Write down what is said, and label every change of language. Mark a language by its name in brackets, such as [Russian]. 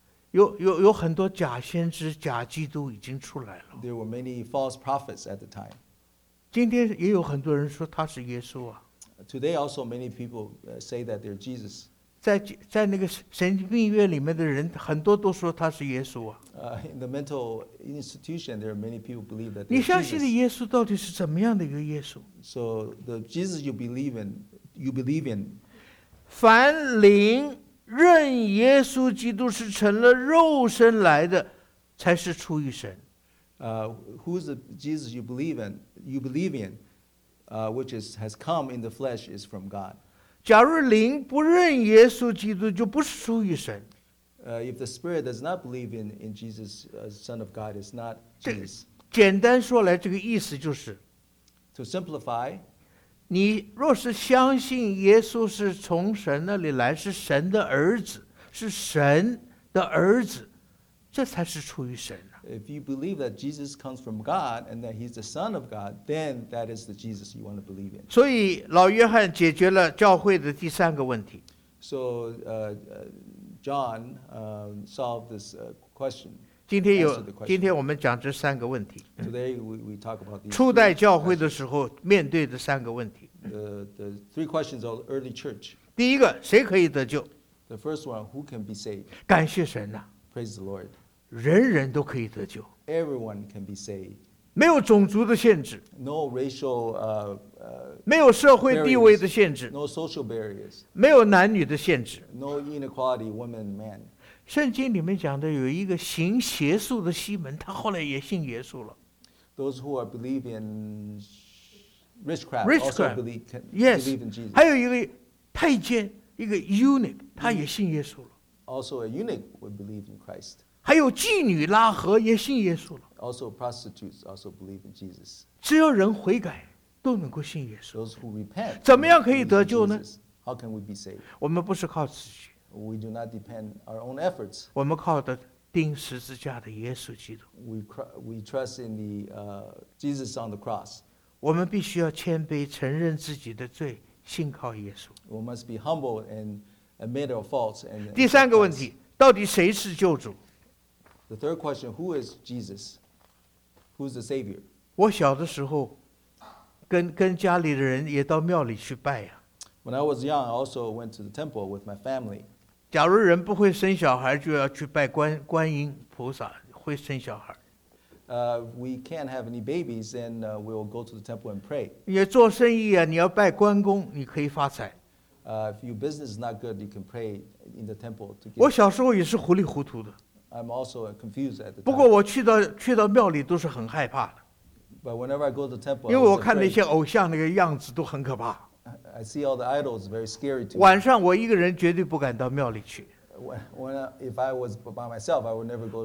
[Chinese] 有很多假先知、假基督已经出来了。 [English] There were many false prophets at the time. [Chinese] 今天也有很多人说他是耶稣啊。 [English] Today also many people say that they're Jesus. [Chinese] 在那个神经病院里面的人很多都说他是耶稣啊。 [English] In the mental institution, there are many people believe that. [Chinese] 你相信的耶稣到底是怎么样的一个耶稣 [English] ？So the Jesus you believe in. [Chinese] 凡灵认耶稣基督是成了肉身来的，才是出于神。 [English] Who's the Jesus you believe in, which is has come in the flesh is from God. [Chinese] 假如灵不认耶稣基督，就不是出于神。 [English] If the spirit does not believe in Jesus, Son of God, is not Jesus. [Chinese] 简单说来，这个意思就是 [English] ，to simplify， [Chinese] 你若是相信耶稣是从神那里来，是神的儿子，是神的儿子，这才是出于神。 [English] If you believe that Jesus comes from God and that he's the Son of God, then that is the Jesus you want to believe in. [Chinese] 所以老约翰解决了教会的第三个问题。 [English] So John solved this question. [Chinese] 今天我们讲这三个问题。 [English] Today we talk about these [Chinese] 初代教会的时候面对的三个问题。 [English] The three questions of early church. [Chinese] 第一个，谁可以得救？ [English] The first one, who can be saved? [Chinese] 感谢神啊。 [English] Praise the Lord. [Chinese] 人人都可以得救 [English] ，Everyone can be saved， [Chinese] 没有种族的限制 [English] ，No racial [Chinese] 没有社会地位的限制 [English] ，No social barriers， [Chinese] 没有男女的限制 [English] ，No inequality woman man， [Chinese] 圣经里面讲的有一个行邪术的西门，他后来也信耶稣了。 [English] Those who are believe in witchcraft also believe, can yes, believe in Jesus. [Chinese] 还有一个太监，一个 eunuch， 他也信耶稣了。 [English] Also a eunuch would believe in Christ. [Chinese] 还有妓女拉合也信耶稣了。 [English] Also prostitutes also believe in Jesus. [Chinese] 只要人悔改，都能够信耶稣。 [English] Those who repent. [Chinese] 怎么样可以得救呢？ [English] How can we be saved? [Chinese] 我们不是靠自己。 [English] We do not depend our own efforts. [Chinese] 我们靠的钉十字架的耶稣基督。 [English] We trust in the Jesus on the cross. [Chinese] 我们必须要谦卑，承认自己的罪，信靠耶稣。 [English] We must be humble and admit our faults. [Chinese] 第三个问题，到底谁是救主？ [English] The third question, who is Jesus? Who's the Savior? [Chinese] 我小的时候，跟家里的人也到庙里去拜呀。 [English] When I was young, I also went to the temple with my family. [Chinese] 假如人不会生小孩，就要去拜观音菩萨，会生小孩。 [English] We can't have any babies, then we will go to the temple and pray. [Chinese] 你做生意啊，你要拜关公，你可以发财。 [English] If your business is not good, you can pray in the temple to get. [Chinese] 我小时候也是糊里糊涂的。 [English] I'm also confused at the time. [Chinese] 不过我去到庙里都是很害怕的。 [English] But whenever I go to the temple, [Chinese] 因为我看那些偶像那个样子都很可怕。 [English] I see all the idols very scary to me. [Chinese] 晚上我一个人绝对不敢到庙里去。 [English] If I was by myself, I would never go to the